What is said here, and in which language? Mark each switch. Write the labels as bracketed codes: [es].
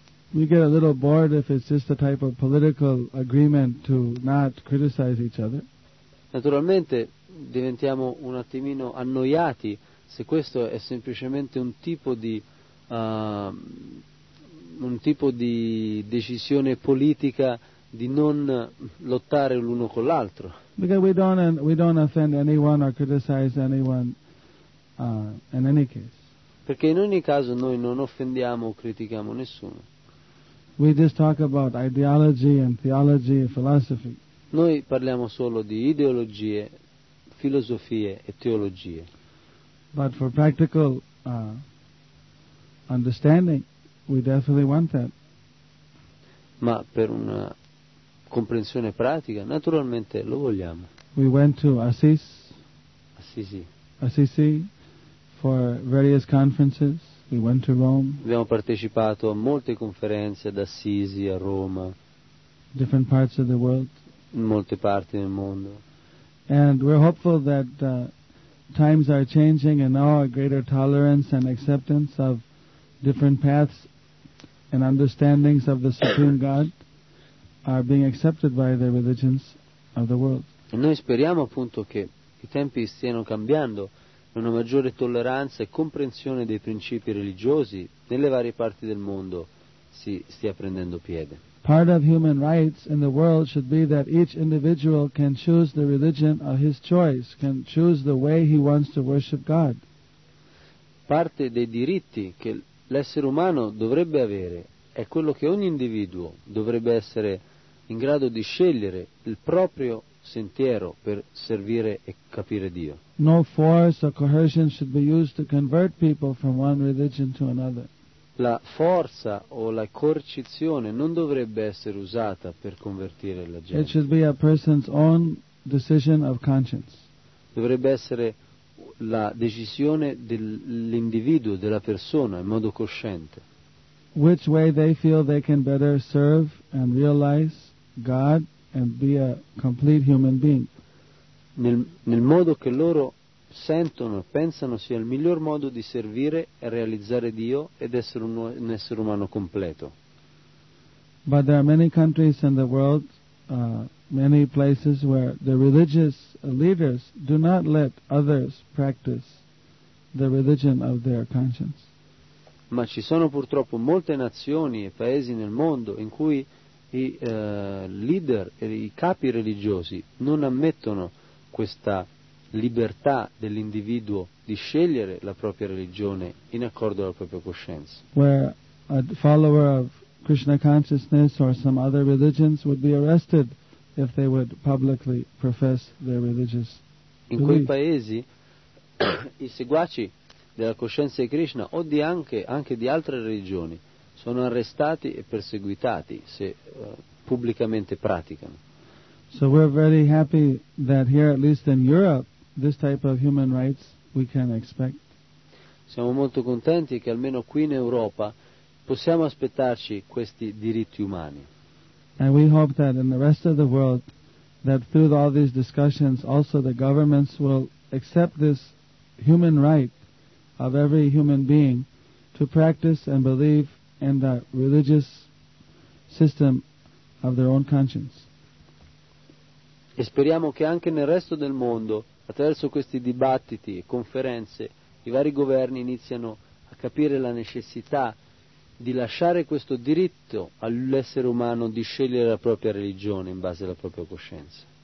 [en] We get a little bored if it's just a type of political agreement to not criticize each other. [it] Naturalmente diventiamo un attimino annoiati se questo è semplicemente un tipo di decisione politica di non lottare l'uno con l'altro. [en] Because we don't offend anyone or criticize anyone in any case. [it] Perché in ogni caso noi non offendiamo o critichiamo nessuno. [en] We just talk about ideology and theology and philosophy. [it] Noi parliamo solo di ideologie, filosofie e teologie. [en] But for practical understanding, We definitely want that. [it] Ma per una comprensione pratica, naturalmente lo vogliamo. [en] We went to Assisi for various conferences. We went to Rome. [it] Abbiamo partecipato a molte conferenze ad Assisi, a Roma. [en] Different parts of the world. [it] In molte parti del mondo. [en] And we're hopeful that times are changing and now a greater tolerance and acceptance of different paths and understandings of the Supreme God are being accepted by the religions of the world. [it] E noi speriamo appunto che i tempi stiano cambiando, una maggiore tolleranza e comprensione dei principi religiosi nelle varie parti del mondo si stia prendendo piede. [en] Part of human rights in the world should be that each individual can choose the religion of his choice, can choose the way he wants to worship God. [it] Parte dei diritti che l'essere umano dovrebbe avere è quello che ogni individuo dovrebbe essere in grado di scegliere il proprio sentiero per servire e capire Dio. [en] No force or coercion should be used to convert people from one religion to another. [it] La forza o la coercizione non dovrebbe essere usata per convertire la gente. [en] It should be a person's own decision of conscience. [it] Dovrebbe essere la decisione dell'individuo, della persona, in modo cosciente. [en] Which way they feel they can better serve and realize God and be a complete human being. [it] Nel modo che loro sentono e pensano sia il miglior modo di servire e realizzare Dio ed essere un essere umano completo. [en] But there are many countries in the world, many places where the religious leaders do not let others practice the religion of their conscience. [it] Ma ci sono purtroppo molte nazioni e paesi nel mondo in cui i leader e i capi religiosi non ammettono questa libertà dell'individuo di scegliere la propria religione in accordo alla propria coscienza. [en] Where a follower of Krishna consciousness or some other religions would be arrested if they would publicly profess their religious belief. [it] In quei paesi i seguaci della coscienza di Krishna o di anche di altre religioni sono arrestati e perseguitati se pubblicamente praticano. [en] So we're very happy that here, at least in Europe, this type of human rights we can expect. [it] Siamo molto contenti che almeno qui in Europa possiamo aspettarci questi diritti umani. [en] And we hope that in the rest of the world, that through all these discussions, also the governments will accept this human right of every human being to practice and believe in the religious system of their own conscience. [it] E speriamo che anche nel resto del mondo, attraverso questi dibattiti e conferenze, i vari governi iniziano a capire la necessità di lasciare questo diritto all'essere umano di scegliere la propria religione in base alla propria coscienza.